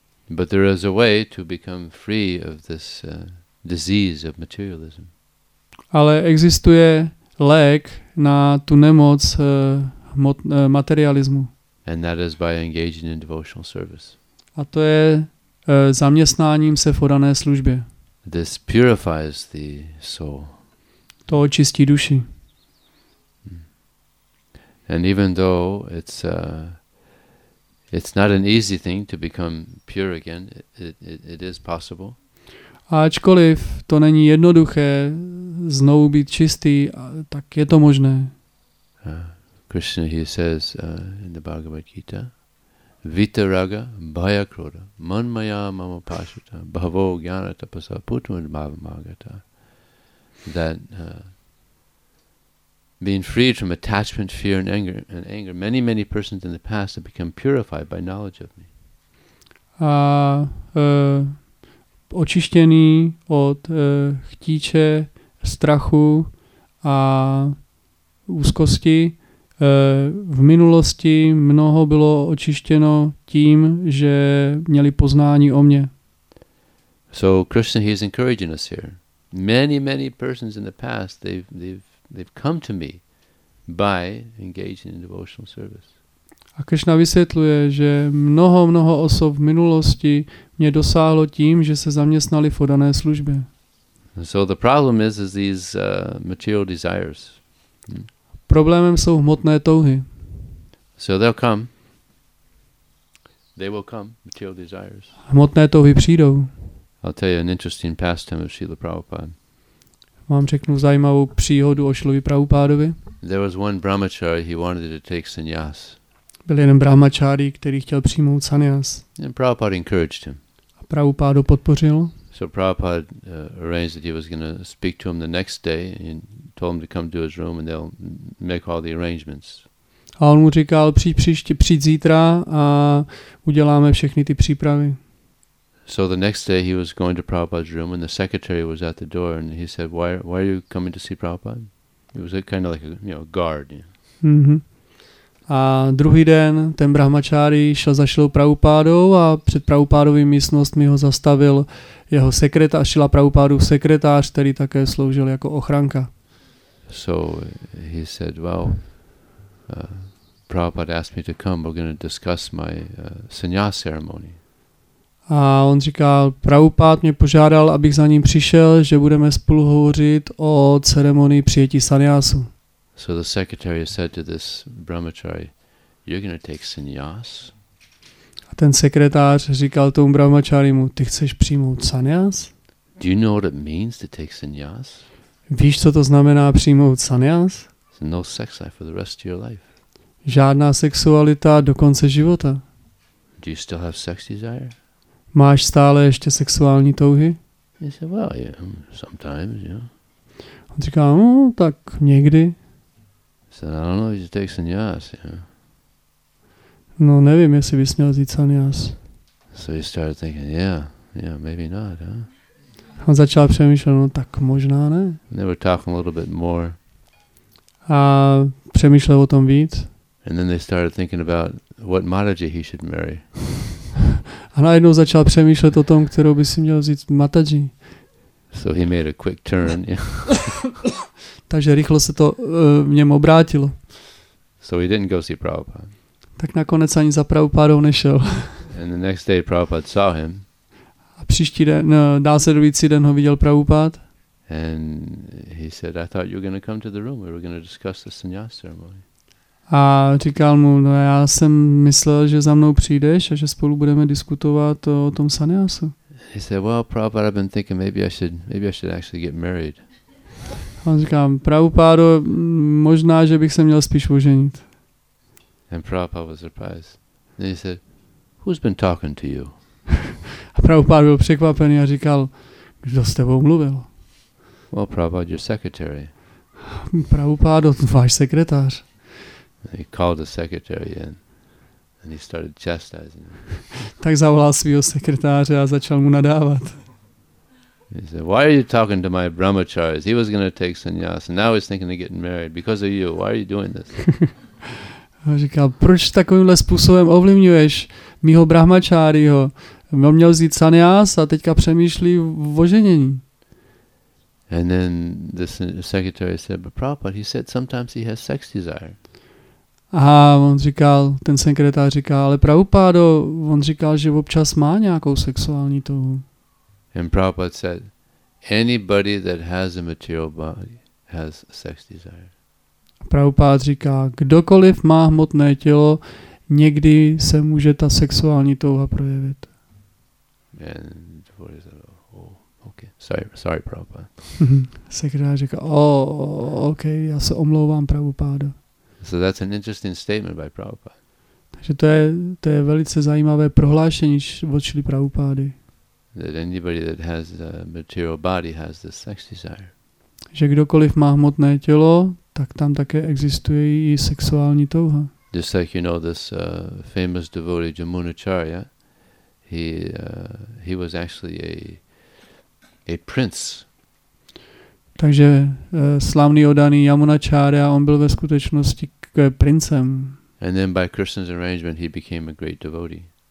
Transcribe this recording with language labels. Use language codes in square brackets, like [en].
[en] But there is a way to become free of this disease of materialism. [cs] Ale existuje lék na tu nemoc materialismu. [en] And that is by engaging in devotional service. [cs] A to je zaměstnáním se v odané službě. [en] This purifies the soul. [cs] To očistí duši. [en] And even though it's not an easy thing to become pure again, it is possible. [cs] Ačkoliv to není jednoduché znovu být čistý, tak je to možné. [en] Krishna, he says in the Bhagavad Gita, [sa] Vitaraga bhaya krodha manmaya mama pashita bhavo jnana tapasa putman bhavamagata, [en] that being freed from attachment, fear and anger, many, many persons in the past have become purified by knowledge of me. [cs] A očištěný od chtíče, strachu a úzkosti, v minulosti mnoho bylo očištěno tím, že měli poznání o mně. [en] So Krishna, he is encouraging us here. Many, many persons in the past, they've come to me by engaging in devotional service. [cs] A Krishna vysvětluje, že mnoho osob v minulosti mě dosáhlo tím, že se zaměstnali v odané službě. [en] So the problem is these material desires. Problémem jsou hmotné touhy. So they'll come. They will come, material desires. [cs] Hmotné touhy přijdou. [en] I'll tell you an interesting pastime of Srila Prabhupada. [cs] Vám řeknu zajímavou příhodu o Šilovi Prabhupádovi. [en] There was one brahmachari, he wanted to take sannyas. [cs] Byl jeden brahmachari, který chtěl přijmout sannyas. [en] And Prabhupada encouraged him. [cs] A Prabhupádu podpořil. [en] So Prabhupada arranged that he was going to speak to him the next day and told him to come to his room and they'll make all the arrangements. [cs] A on mu říkal, přijď zítra a uděláme všechny ty přípravy. [en] So the next day he was going to Prabhupada's room and the secretary was at the door and he said, why are you coming to see Prabhupada? It was a kind of like a, you know, guard. Yeah. Mm-hmm. [cs] A druhý den ten brahmačáry šel za Šilou Prabhupádou a před Prabhupádovým místnostmi ho zastavil jeho sekretář, Šila Prabhupádův sekretář, který také sloužil jako ochranka. [en] So he said, well, Prabhupada asked me to come, we're going to discuss my sannyas ceremony. [cs] A on říkal, Prabhupád mě požádal, abych za ním přišel, že budeme spolu hovořit o ceremonii přijetí sannyasu. [en] So the secretary said to this brahmachari, you're going to take sannyas? [cs] ten sekretář říkal tomu brahmačárimu, ty chceš přijmout sanyas? [en] Do you know what it means to take sanyas? [cs] Víš, co to znamená přijmout sanyas? [en] No sex life for the rest of your life. [cs] Žádná sexualita do konce života. [en] Do you still have sex desire? [cs] Máš stále ještě sexuální touhy? [en] He said, well, yeah, sometimes, yeah. [cs] On říká, no, tak někdy. [en] He said, I don't know if you take sanyas, yeah. [cs] No, nevím, jestli bys měl vzít sanyas. [en] So he started thinking, yeah, yeah, maybe not, huh? [cs] On začal přemýšlet, no, tak možná ne. [en] They were talking a little bit more. [cs] A přemýšlel o tom víc. [en] And then they started thinking about what Mataji he should marry. [cs] A najednou začal přemýšlet o tom, kterou by si měl vzít Mataji. [en] So he made a quick turn, yeah. [cs] Takže rychle se to v něm obrátilo. [en] So he didn't go see Prabhupada. [cs] Tak nakonec ani za Prabhupádou nešel. [en] And the next day Prabhupada saw him. [cs] A příští den, následující den ho viděl Prabhupád. [en] And he said, I thought you were going to come to the room, we were going to discuss the sannyas ceremony. [cs] A říkal mu, no já jsem myslel, že za mnou přijdeš a že spolu budeme diskutovat o tom sannyasu. [en] He said, well, Prabhupada, I've been thinking maybe I should actually get married. [cs] A on říkal, Prabhupádo, možná, že bych se měl spíš oženit. [en] And Prabhupada was surprised. Then he said, who's been talking to you? [cs] A Prabhupada byl překvapený a říkal, kdo s tebou mluvil? [en] Well, Prabhupada, your secretary. [cs] Prabhupádo, váš sekretář. [en] He called the secretary in and he started chastising him. [cs] Tak zavolal svého sekretáře a začal mu nadávat. [en] He said, why are you talking to my brahmacharis? He was going to take sannyas and now he's thinking of getting married because of you. Why are you doing this? [cs] A říkal, proč takovýmhle způsobem ovlivňuješ mýho brahmačáriho? On měl vzít sannyas a teďka přemýšlí o ženění. [en] And then the secretary said, but Prabhupada, he said sometimes he has sex desire. [cs] A on říkal, ten sekretář říkal, ale Prabhupádo, on říkal, že občas má nějakou sexuální touhu. [en] And Prabhupada said, anybody that has a material body has sex desire. [cs] Prabhupád říká, kdokoliv má hmotné tělo, někdy se může ta sexuální touha projevit. [en] And what is that? Oh, okay. Sorry, Prabhupada. [cs] Sekretář říká, okay, já se omlouvám, Prabhupádo. [en] So that's an interesting statement by Prabhupada. [cs] Takže to je velice zajímavé prohlášení od Šrily Prabhupády. [en] That anybody that has a material body has the sex desire. [cs] Že kdokoliv má hmotné tělo, tak tam také existuje i sexuální touha. [en] Just like you know this famous devotee Jamunacharya, he was actually a prince. [cs] Takže slavný oddaný Jamunacharya, on byl ve skutečnosti princem. [en] And then by Krishna's arrangement he became a great devotee.